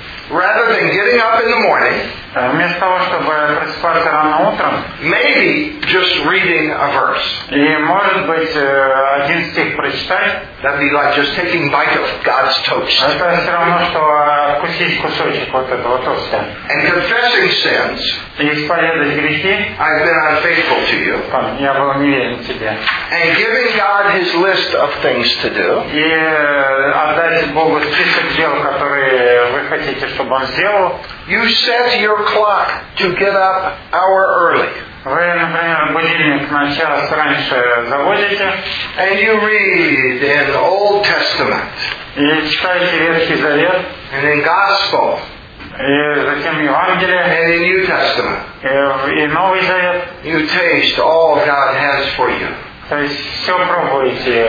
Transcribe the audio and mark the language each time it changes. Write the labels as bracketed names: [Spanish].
[English] Rather than getting up in the morning, [Russian] вместо того, чтобы просыпаться рано утром, [English] maybe just reading a verse. [Russian] И, может быть, один стих прочитать. [English] That'd be like just taking a bite of God's toast. [Russian] Это все равно, что откусить кусочек вот этого тоста. [English] And confessing sins. [Russian] И исповедовать грехи. [English] I've been unfaithful to you. [Russian] Я был неверен тебе. [English] And giving God his list of things to do. [Russian] И отдать Богу список дел, которые вы хотите, чтобы он сделал. [English] You set your clock to get up an hour early. [Russian] Вы, например, будильник на час раньше заводите. [English] And you read in the Old Testament. [Russian] И читаете Ветхий Завет. [English] And in Gospel. [Russian] И затем Евангелие. [English] And in New Testament. [Russian] И Новый Завет. [English] You taste all God has for you. [Russian] То есть все пробуете.